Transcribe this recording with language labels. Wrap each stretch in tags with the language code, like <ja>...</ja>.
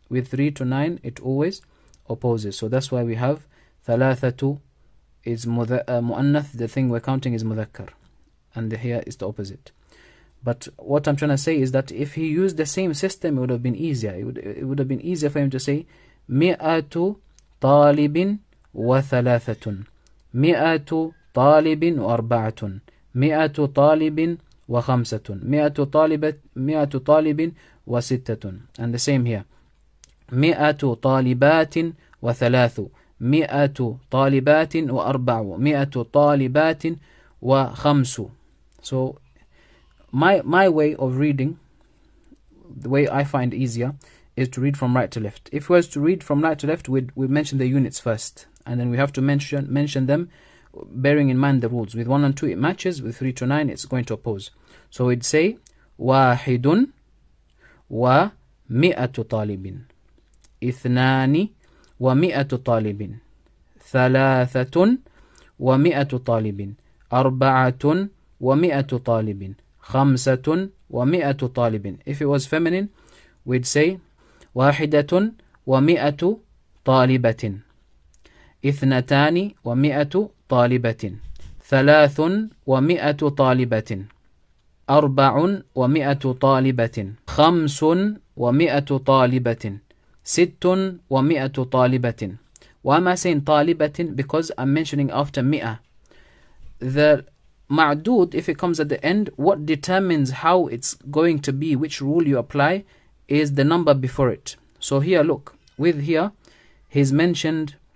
<en>With 3 to 9, it always opposes. So that's why we have thalathatu is mu'annath, the thing we're counting is mudhakkar. And here is the opposite. But what I'm trying to say is that if he used the same system, it would have been easier. It would have been easier for him to say mi'atu talibin wa thalathatun.</en> <ar>مِئَةُ طَالِبٍ وَأَرْبَعَةٌ مِئَةُ طَالِبٍ وَخَمْسَةٌ مِئَةُ طَالِبٍ وَسِتَّةٌ</ar> <en>And the same here.</en> <ar>مِئَةُ طَالِبَاتٍ وَثَلَاثُ مِئَةُ طَالِبَاتٍ وَأَرْبَعُ مِئَةُ طَالِبَاتٍ وَخَمْسُ</ar> <en>So, my way of reading, the way I find easier, is to read from right to left. If we were to read from right to left, we'd mention the units first. And then we have to mention them, bearing in mind the rules. With 1 and 2, it matches. With 3 to 9, it's going to oppose. So we'd say,</en> <ar>واحدٌ ومئةُ طالبٍ اثنانِ ومئةُ طالبٍ ثلاثةٌ ومئةُ طالبٍ أربعةٌ ومئةُ طالبٍ خمسةٌ ومئةُ طالبٍ</ar> <en>If it was feminine, we'd say,</en> <ar>واحدةٌ ومئةُ طالبةٍ اثنتان ومئة طالبة ثلاث ومئة طالبة أربع ومئة طالبة خمس ومئة طالبة ست ومئة طالبة</ar> <en>Why am I saying</en> <ar>طالبة?</ar> <en>Because I'm mentioning after مئة. The معدود, if it comes at the end, what determines how it's going to be, which rule you apply, is the number before it. So here, look. With here, he's mentioned...</en>